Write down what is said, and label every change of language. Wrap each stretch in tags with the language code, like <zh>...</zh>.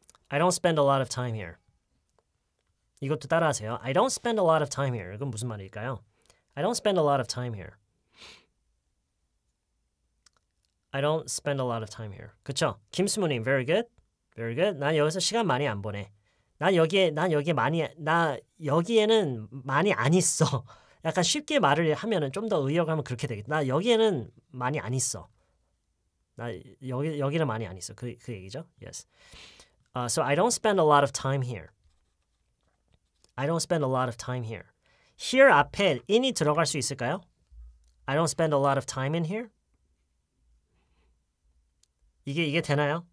<en>I don't spend a lot of time here.</en> <ko>이것도 따라하세요.</ko> <en>I don't spend a lot of time here.</en> <ko>이건 무슨 말일까요?</ko> <en>I don't spend a lot of time here. I don't spend a lot of time here.</en> <ko>그쵸?</ko> <en>김수무님, very good. Very good.</en> <ko>난 여기서 시간 많이 안 보내. 나 여기에는 많이 안 있어. 약간 쉽게 말을 하면은 좀 더 의역하면 그렇게 되겠다. 나 여기에는 많이 안 있어. 나 여기는 많이 안 있어. 그 얘기죠? Yes.</ko> <en>So I don't spend a lot of time here. I don't spend a lot of time here.</en> <ko>Here 앞에 in이 들어갈 수 있을까요?</ko> <en>I don't spend a lot of time in here.</en> <ko>이게 되나요?</ko>